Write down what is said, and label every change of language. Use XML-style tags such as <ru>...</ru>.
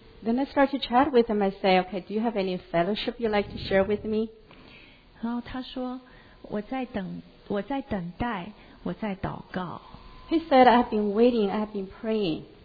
<en>Then I start to chat with him. I say, okay, do you have any fellowship you'd like to share with me?</en> <zh>然后他说我在等待，我在祷告。</zh> <en>He said, I've been waiting, I've been praying.</en>